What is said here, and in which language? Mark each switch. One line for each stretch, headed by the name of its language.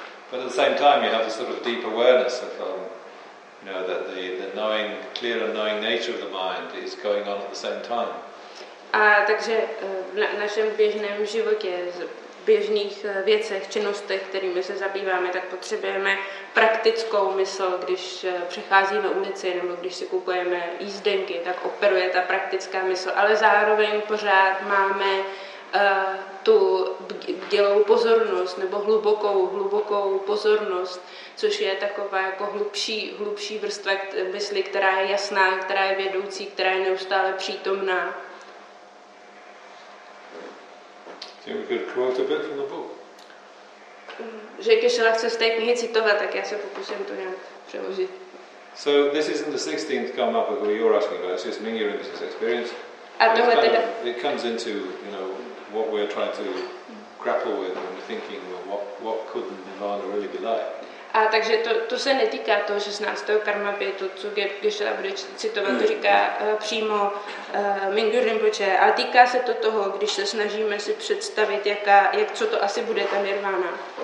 English: But at the same time, you have a sort of deep awareness of, you know, that the knowing, clear and knowing nature of the mind is going on at the same time.
Czech: A takže v našem běžném životě, běžných věcech, činnostech, kterými se zabýváme, tak potřebujeme praktickou mysl, když přecházíme ulici nebo když si kupujeme jízdenky, tak operuje ta praktická mysl, ale zároveň pořád máme tu bdělou pozornost nebo hlubokou pozornost, což je taková jako hlubší vrstva mysli, která je jasná, která je vědoucí, která je neustále přítomná.
English: Think we could quote a bit from the book.
Czech: Že Kešela chce z té knihy citovat, tak já se pokusím to nějak přeložit.
English: So this isn't the 16th come up who you're asking about, it's just Mingyur Rinpoche's experience.
Czech: A tohle teda.
English: It comes into, you know, what we're trying to grapple with and thinking, well, what could Nirvana really be like.
Czech: A takže to se netýká toho 16. karmapě, to, co Kešela bude citovat, to říká přímo Mingyur Rinpoche, ale týká se to toho, když se snažíme si představit, co to asi bude ta nirvana.